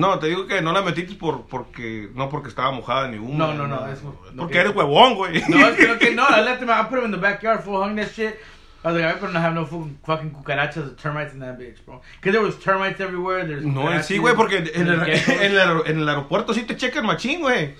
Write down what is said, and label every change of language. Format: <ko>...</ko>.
<es>No, te digo que no la metiste porque no porque estaba mojada ni húmeda. No, es porque eres huevón, güey.</es> <en>No, I left him. I put him in the backyard full hung that shit. I was like, I better not have no fucking cucarachas or termites in that bitch, bro. Because there was termites everywhere. There's</en> <es>no, sí, güey, porque en el aeropuerto sí te checan machín, güey.</es>